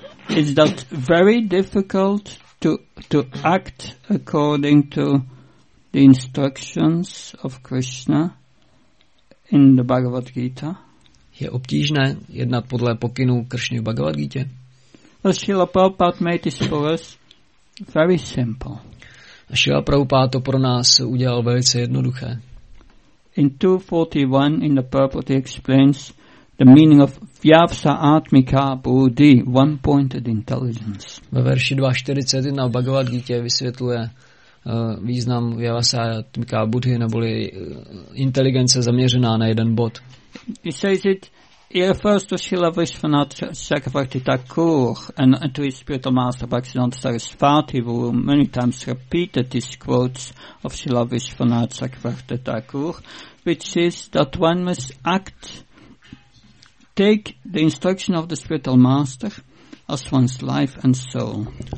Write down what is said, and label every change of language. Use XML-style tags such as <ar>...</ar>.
<en>Is that very difficult to act according to the instructions of Krishna in the Bhagavad Gita?</en> <cs>Je obtížné jednat podle pokynů Krišny v Bhagavad Gita?</cs> <en>Srila Prabhupada made this for us very simple.</en> <cs>Srila Prabhupada to pro nás udělal velice jednoduché.</cs> <en>In 241 in the purport he explains the meaning of vyavsa atmika buddhi, one-pointed intelligence.</en> <cs>Ve verši 241 v Bhagavad Gita vysvětluje význam vyavsa atmika buddhi, neboli inteligence zaměřená na jeden bod.</cs> <en>He says it refers to Srila Vishwanath Chakravarti Thakur and to his spiritual master Bhaktisiddhanta Sarasvati, who many times repeated these quotes of Srila Vishwanath Chakravarti Thakur, which is that one must act, take the instruction of the spiritual master as one's life and soul.</en>